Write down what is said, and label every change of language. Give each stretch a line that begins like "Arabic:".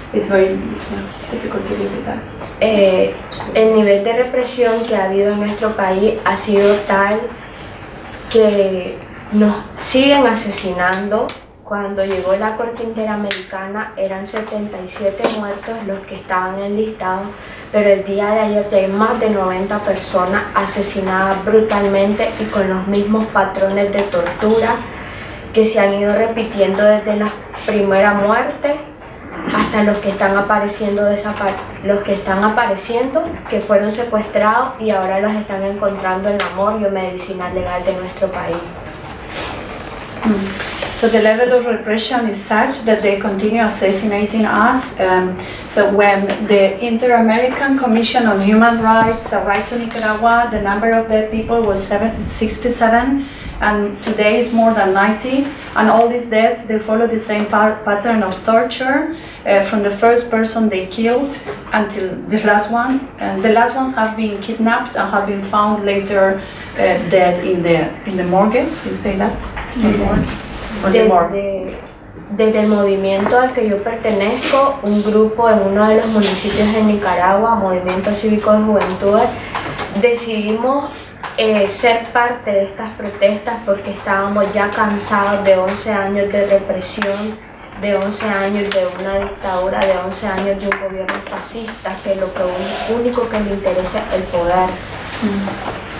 English: It's very it's difficult to deal with that.
Spanish: El nivel de represión que ha habido en nuestro país ha sido tal que nos siguen asesinando. Cuando llegó la Corte Interamericana eran 77 muertos los que estaban enlistados, pero el día de ayer ya hay más de 90 personas asesinadas brutalmente y con los mismos patrones de tortura que se han ido repitiendo desde la primera muerte hasta los que están apareciendo, que fueron secuestrados y ahora los están encontrando en la morgue o medicina legal de nuestro país.
English: So the level of repression is such that they continue assassinating us. So when the Inter-American Commission on Human Rights arrived to Nicaragua, the number of dead people was 67, and today is more than 90. And all these deaths, they follow the same pattern of torture from the first person they killed until the last one. And the last ones have been kidnapped and have been found later dead in the morgue. You say that? Mm-hmm.
Spanish: Desde el movimiento al que yo pertenezco, un grupo en uno de los municipios de Nicaragua, Movimiento Cívico de Juventudes, decidimos ser parte de estas protestas porque estábamos ya cansados de 11 años de represión, de 11 años de una dictadura, de 11 años de un gobierno fascista que lo único que le interesa es el poder.